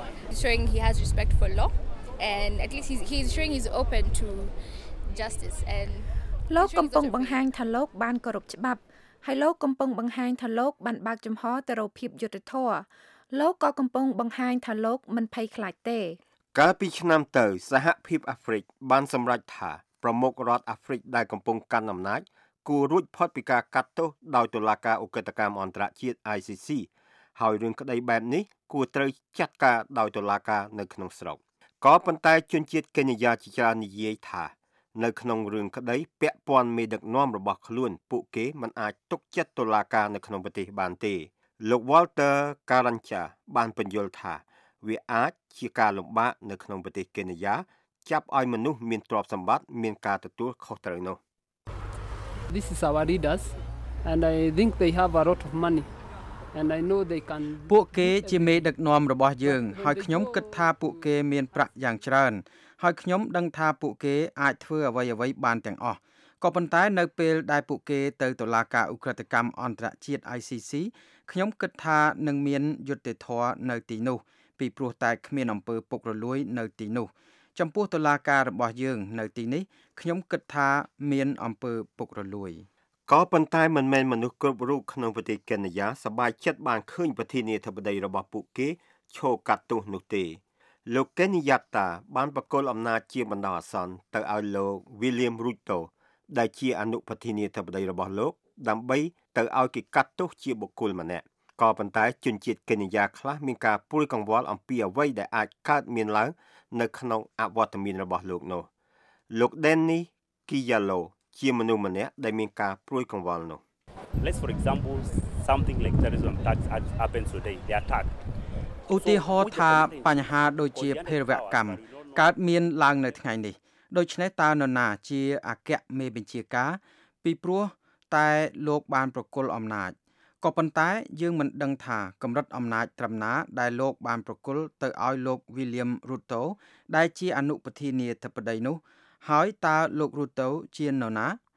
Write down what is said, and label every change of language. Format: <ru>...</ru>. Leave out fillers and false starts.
<en>showing he has respect for law and at least he's showing he's open to justice and</en> <km>លោកកំពុងបង្ហាញថាលោកបានគោរពច្បាប់ហើយលោកកំពុងបង្ហាញថាលោកបានបើកចំហទៅរកភាពយុត្តិធម៌លោកក៏កំពុងបង្ហាញថាលោកមិនភ័យខ្លាចទេ កាលពីឆ្នាំទៅសហភាពអាហ្វ្រិកបានសម្រេចថាប្រមុខរដ្ឋអាហ្វ្រិកដែលកំពុងកាន់អំណាចគួររួចផុតពីការកាត់ទោសដោយតុលាការឧក្រិដ្ឋកម្មអន្តរជាតិ ICC ហើយរឿងក្តីបែបនេះគួរត្រូវចាត់ការដោយតុលាការនៅក្នុងស្រុកក៏ប៉ុន្តែជនជាតិកេនយ៉ាជាច្រើននិយាយថានៅក្នុងរឿងក្តីពាក់ព័ន្ធមេដឹកនាំរបស់ខ្លួនពួកគេមិនអាចទុកចិត្តតុលាការនៅក្នុងប្រទេសបានទេលោក Walter Karancha បានពន្យល់ថាវាអាចជាការលំបាកនៅក្នុងប្រទេសកេនយ៉ាចាប់ឲ្យមនុស្សមានទ្រព្យសម្បត្តិមានការទទួលខុសត្រូវនោះ</km> <en>This is our leaders and I think they have a lot of money and I know they can</en> <km>ពួកគេជាមេដឹកនាំរបស់យើងហើយខ្ញុំគិតថាពួកគេមានប្រាក់យ៉ាងច្រើនហើយខ្ញុំដឹងថាពួកគេអាចធ្វើអ្វីៗបានទាំងអស់ក៏ប៉ុន្តែនៅពេលដែលពួកគេទៅតុលាការឧក្រិដ្ឋកម្មអន្តរជាតិ ICC ខ្ញុំគិតថានឹងមានយុត្តិធម៌នៅទីនោះពីព្រោះតែគ្មានអំពើពុករលួយនៅទីនោះចំពោះតុលាការរបស់យើងនៅទីនេះខ្ញុំគិតថាមានអំពើពុករលួយ ក៏ប៉ុន្តែមិនមែនមនុស្សគ្រប់រូបក្នុងប្រទេសកេនយ៉ាសប្បាយចិត្តបានឃើញប្រធានាធិបតីរបស់ពួកគេឈរកាត់ទោសនោះទេ លោកកេនយ៉ាតាបានប្រគល់អំណាចជាបណ្ដោះអាសន្នទៅឲ្យលោកវីលៀមរូតូដែលជាអនុប្រធានាធិបតីរបស់លោកដើម្បីទៅឲ្យគេកាត់ទោសជាបុគ្គលម្នាក់ក៏ប៉ុន្តែជនជាតិកេនយ៉ាខ្លះមានការព្រួយកង្វល់អំពីអ្វីដែលអាចកើតមានឡើងនៅក្នុងអវតមានរបស់លោកនោះលោកដេននីគីយ៉ាឡូជាមនុស្សម្នាក់ដែលមានការព្រួយកង្វល់នោះ</km> <en>Let's for example something like terrorism attacks happened today the attack</en> <km>ឧទាហរណ៍ថាបញ្ហាដូចជាភេរវកម្មកើតមានឡើងនៅថ្ងៃនេះដូច្នេះតើនរណាជាអគ្គមេបញ្ជាការពីព្រោះតែលោកបានប្រគល់អំណាចក៏ប៉ុន្តែយើងមិនដឹងថាកម្រិតអំណាចត្រឹមណាដែលលោកបានប្រគល់ទៅឲ្យលោកវីលៀមរូតូដែលជាអនុប្រធានាធិបតីនោះហើយតើលោករូតូជានរណា</km>